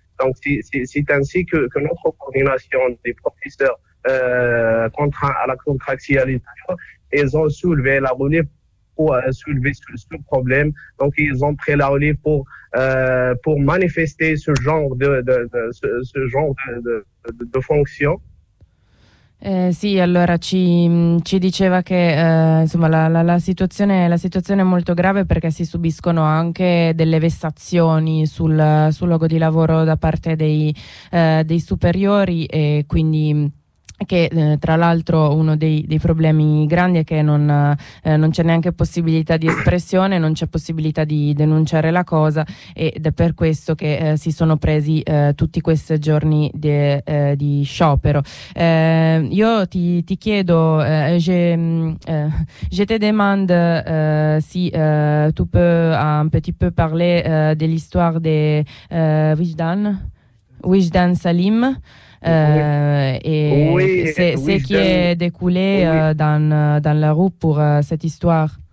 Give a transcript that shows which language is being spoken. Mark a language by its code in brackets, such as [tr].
[fr] Donc, c'est ainsi que notre coordination des professeurs contraints à la contractualisation, ils ont soulevé la relève pour soulever ce problème. Donc, ils ont pris la relève pour manifester ce genre de fonction. [it] Sì, allora ci diceva che insomma, la situazione è molto grave perché si subiscono anche delle vessazioni sul luogo di lavoro da parte dei superiori e quindi. Che tra l'altro uno dei problemi grandi è che non c'è neanche possibilità di espressione, non c'è possibilità di denunciare la cosa ed è per questo che si sono presi tutti questi giorni di sciopero. Io ti chiedo, [fr] je te demande si tu peux un petit peu parler de l'histoire de Vigdan? Wijdan Salim, c'est qui est découlé dans la rue pour cette histoire.